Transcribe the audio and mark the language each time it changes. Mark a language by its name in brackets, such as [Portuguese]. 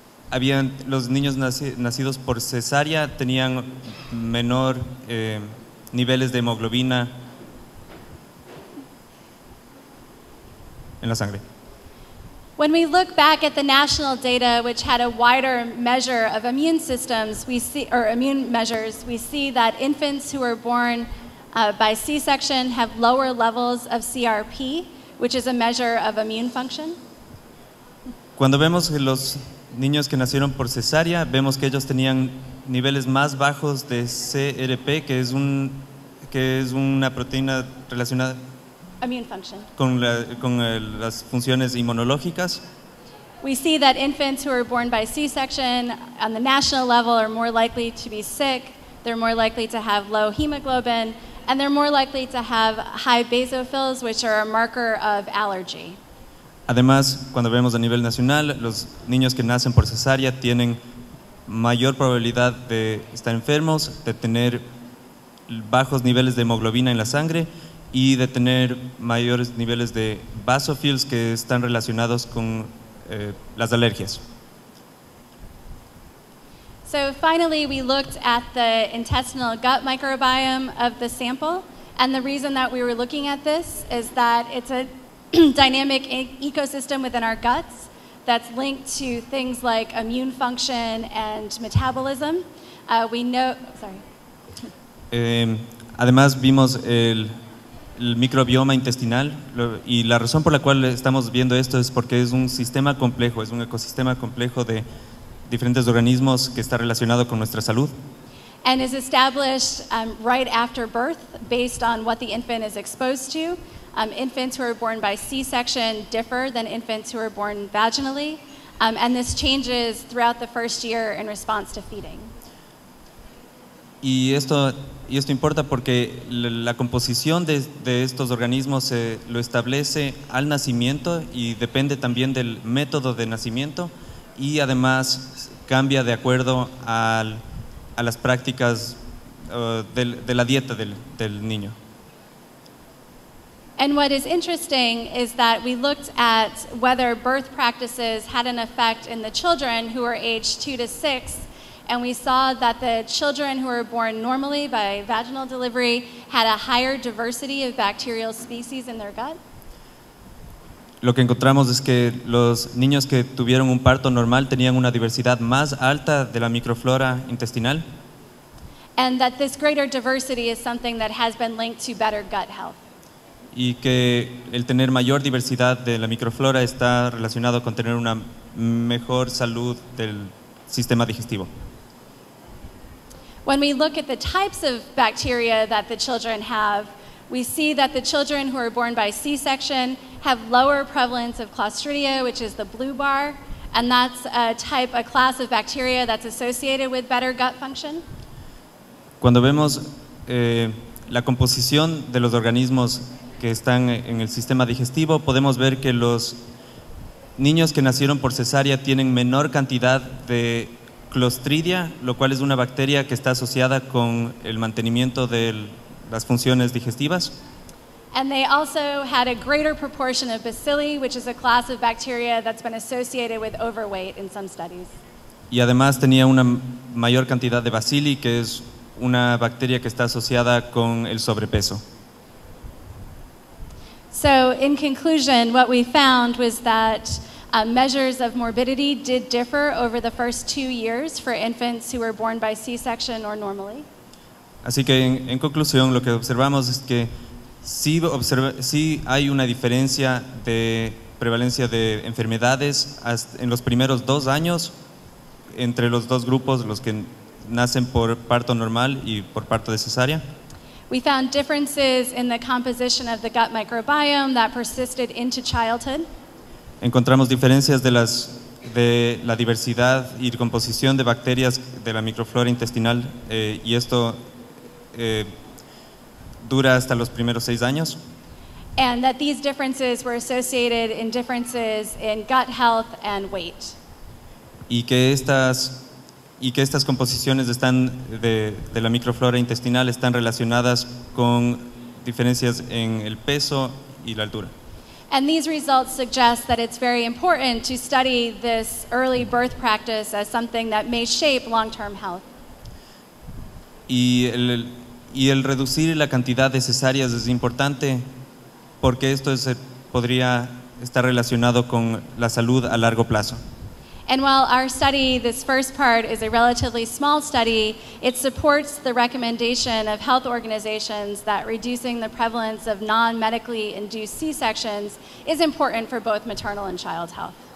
[Spanish] habían los niños nacidos por cesárea tenían menor niveles de hemoglobina en la sangre. [English] When we look back at the national data, which had a wider measure of immune systems, we see that infants who are born by C-section have lower levels of CRP, which is a measure of immune function. [Spanish] Cuando vemos los niños que nacieron por cesárea, vemos que ellos tenían niveles más bajos de CRP, que es una proteína relacionada [English] immune function. [Spanish] Con las funciones inmunológicas. [English] We see that infants who are born by C-section on the national level are more likely to be sick, they're more likely to have low hemoglobin, and they're more likely to have high basophils, which are a marker of allergy. [Spanish] Además, cuando vemos a nivel nacional, los niños que nacen por cesárea tienen mayor probabilidad de estar enfermos, de tener bajos niveles de hemoglobina en la sangre y de tener mayores niveles de basophils que están relacionados con las alergias. [English] So finally, we looked at the intestinal gut microbiome of the sample, and the reason that we were looking at this is that it's a dynamic ecosystem within our guts that's linked to things like immune function and metabolism. [Spanish] Además vimos el microbioma intestinal y la razón por la cual estamos viendo esto es porque es un sistema complejo, es un ecosistema complejo de diferentes organismos que está relacionado con nuestra salud. [English] And is established right after birth based on what the infant is exposed to. Infants who are born by C-section differ than infants who are born vaginally, and this changes throughout the first year in response to feeding. [Spanish] Y esto importa porque la composición de estos organismos se lo establece al nacimiento y depende también del método de nacimiento y además cambia de acuerdo a las prácticas de la dieta del niño. [English] And what is interesting is that we looked at whether birth practices had an effect in the children who were aged 2 to 6, and we saw that the children who were born normally by vaginal delivery had a higher diversity of bacterial species in their gut. [Spanish] Lo que encontramos es que los niños que tuvieron un parto normal tenían una diversidad más alta de la microflora intestinal. [English] And that this greater diversity is something that has been linked to better gut health. [Spanish] Y que el tener mayor diversidad de la microflora está relacionado con tener una mejor salud del sistema digestivo. [English] When we look at the types of bacteria that the children have, we see that the children who are born by C-section have lower prevalence of Clostridia, which is the blue bar, and that's a class of bacteria that's associated with better gut function. [Spanish] Cuando vemos la composición de los organismos que están en el sistema digestivo, podemos ver que los niños que nacieron por cesárea tienen menor cantidad de Clostridia, lo cual es una bacteria que está asociada con el mantenimiento de las funciones digestivas. [English] And they also had a greater proportion of bacilli, which is a class of bacteria that's been associated with overweight in some studies. [Spanish] Y además tenía una mayor cantidad de bacilli, que es una bacteria que está asociada con el sobrepeso. [English] So in conclusion, what we found was that measures of morbidity did differ over the first 2 years for infants who were born by C-section or normally. [Spanish] Así que en conclusión, lo que observamos es que sí hay una diferencia de prevalencia de enfermedades en los primeros 2 años entre los dos grupos, los que nacen por parto normal y por parto de cesárea. [English] We found differences in the composition of the gut microbiome that persisted into childhood. [Spanish] Encontramos diferencias de la diversidad y composición de bacterias de la microflora intestinal y esto dura hasta los primeros 6 años. [English] And that these differences were associated in differences in gut health and weight. [Spanish] Y que estas composiciones están de la microflora intestinal están relacionadas con diferencias en el peso y la altura. [English] And these results suggest that it's very important to study this early birth practice as something that may shape long-term health. [Spanish] Y el reducir la cantidad de cesáreas es importante porque esto podría está relacionado con la salud a largo plazo. [English] And while our study, this first part, is a relatively small study, it supports the recommendation of health organizations that reducing the prevalence of non-medically induced C-sections is important for both maternal and child health.